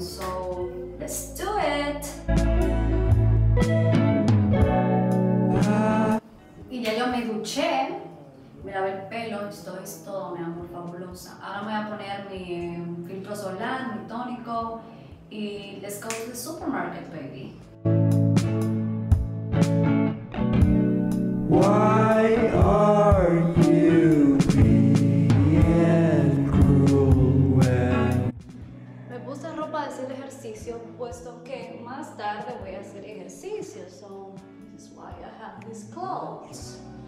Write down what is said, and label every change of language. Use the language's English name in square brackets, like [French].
[English] So, let's do it. [Spanish] Y ya yo me duché, me lavé el pelo, esto es todo, mi amor, fabulosa. Ahora me voy a poner mi filtro solar, mi tónico. [English] Y let's go to the supermarket, baby. Why are you being cruel? [Spanish] Me puse ropa de hacer ejercicio, puesto que más tarde voy a hacer ejercicio. [English] So, this is why I have these clothes.